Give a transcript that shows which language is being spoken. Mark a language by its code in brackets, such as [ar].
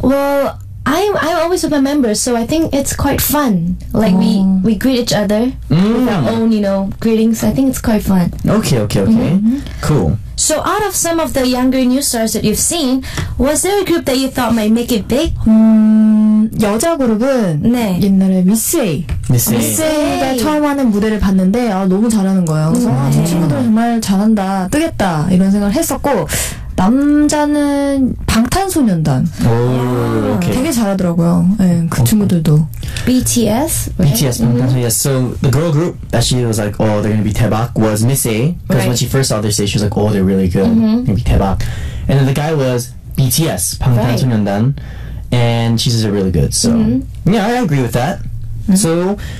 [en] Well, I'm always with my members, so I think it's quite fun. Like, we greet each other with our own, you know, greetings. I think it's quite fun. Okay. Mm-hmm. Cool. So, out of some of the younger new stars that you've seen, was there a group that you thought might make it big? [ko] 여자 그룹은 네. 옛날에 Miss A. Miss A가 처음 하는 무대를 봤는데 아, 너무 잘하는 거예요. 그래서 아, 저 친구들 정말 잘한다, 뜨겠다 이런 생각을 했었고 남자는 방탄소년단 되게 잘하더라고요. 네, 그 친구들도 [en] BTS? Right? BTS 방탄소년단 yes. So the girl group that she was like oh they're gonna be 대박 was Miss A because right. when she first saw their stage she was like oh they're really good they're gonna be 대박 and then the guy was BTS 방탄소년단 right. and she says they're really good so yeah I agree with that. So